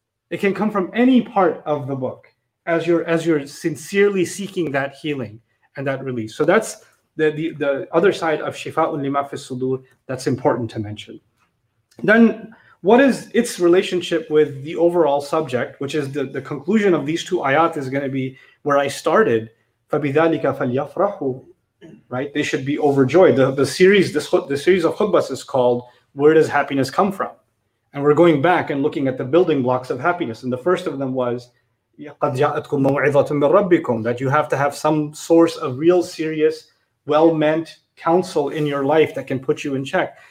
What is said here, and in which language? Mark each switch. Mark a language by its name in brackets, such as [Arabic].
[English] It can come from any part of the book as you're sincerely seeking that healing and that release. So that's the other side of Shifa'ul Lima Fi Sudur that's important to mention. Then what is its relationship with the overall subject, which is the conclusion of these two ayat is going to be where I started. [Arabic] فَبِذَلِكَ فَلْيَفْرَحُ, [English] right? They should be overjoyed. The series, the series of khutbas is called Where Does Happiness Come From? And we're going back and looking at the building blocks of happiness. And the first of them was [Arabic] قَدْ جَاءَتْكُمْ مَوْعِظَةٌ مِّن رَبِّكُمْ, [English] that you have to have some source of real serious, well-meant counsel in your life that can put you in check.